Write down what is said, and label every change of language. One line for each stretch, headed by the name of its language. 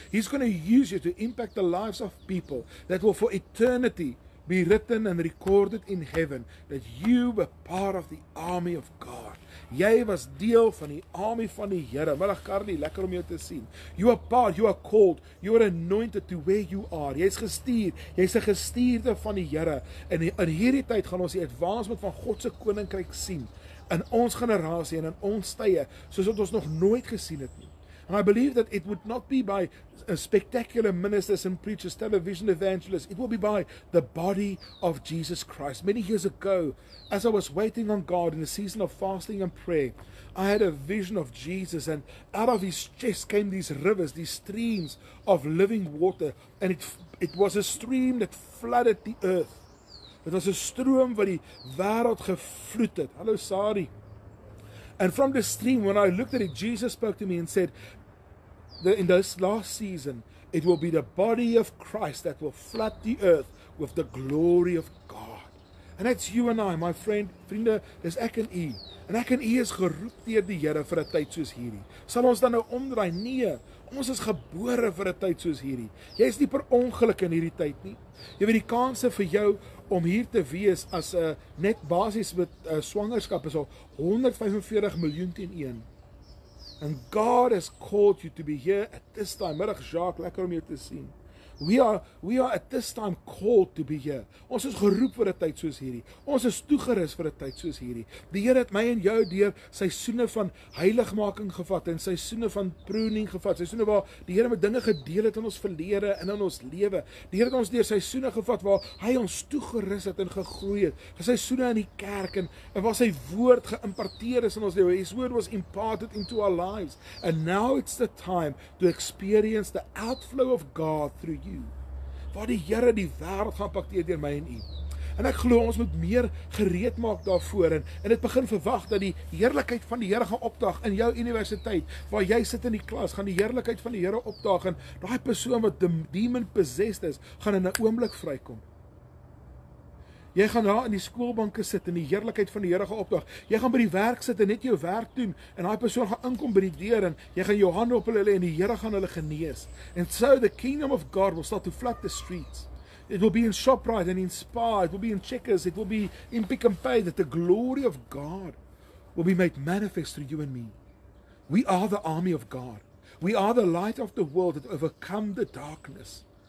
English: He's going to use you to impact the lives of people that will for eternity be written and recorded in heaven that you were part of the army of God.
Afrikaans: Jy was deel van die army van die Here. Middag Carly, lekker om jou te sien.
English: You are part, you are called, you are anointed to where you are.
Afrikaans: Jy is gestuur, jy is 'n gestuurde van die Here. En in hierdie tyd gaan ons die advancement van God se koninkryk sien. In ons generasie en in ons tye, soos wat ons nog nooit gesien het nie.
English: And I believe that it would not be by spectacular ministers and preachers, television evangelists. It will be by the body of Jesus Christ. Many years ago, as I was waiting on God in a season of fasting and prayer, I had a vision of Jesus, and out of His chest came these rivers, these streams of living water, and it was a stream that flooded the earth. It was a
Afrikaans: stroom wat die wêreld gevloed het. Hallo Sari.
English: And from the stream, when I looked at it, Jesus spoke to me and said, in this last season, it will be the body of Christ that will flood the earth with the glory of God. And that's you and I, my friend,
Afrikaans: vriende, dis ek en u. En ek en u is geroep deur die Here vir 'n tyd soos hierdie. Sal ons dan nou omdraai? Nee, ons is gebore vir 'n tyd soos hierdie. Jy is nie per ongeluk in hierdie tyd nie. Jy weet die kanse vir jou om hier te wees as 'n net basis met swangerskap is al 145 miljoen teen 1.
English: And God has called you to be here at this time.
Afrikaans: Middag Jacques, lekker om jou te sien.
English: We are at this time called to be here.
Afrikaans: Ons is geroep vir 'n tyd soos hierdie. Ons is toegerus vir 'n tyd soos hierdie. Die Here het my en jou deur seisoene van heiligmaking gevat en seisoene van pruning gevat. Seisoene waar die Here met dinge gedeel het in ons verlede en in ons lewe. Die Here het ons deur seisoene gevat waar hy ons toegerus het en gegroei het. Seisoene in die kerk en waar sy woord geïmparteer is in ons lewe.
English: His word was imparted into our lives. And now it's the time to experience the outflow of God through you.
Afrikaans: Waar die Here die wêreld gaan pakteer deur my en u. En ek glo ons moet meer gereed maak daarvoor en dit begin verwag dat die heerlikheid van die Here gaan opdaag in jou universiteit waar jy sit in die klas, gaan die heerlikheid van die Here opdaag en daai persoon wat
English: demon possessed
Afrikaans: is, gaan in 'n oomblik vrykom. Jy gaan daar in die skoolbanke sit en die heerlikheid van die Here gaan opdaag. Jy gaan by die werk sit en net jou werk doen en daai persoon gaan inkom by die deur en jy gaan jou hande op hulle en die Here gaan hulle genees.
English: And so the kingdom of God will start to flood the streets. It will be in Shoprite and in Spar, it will be in Checkers, it will be in Pick n Pay that the glory of God will be made manifest through you and me. We are the army of God. We are the light of the world that overcome the darkness.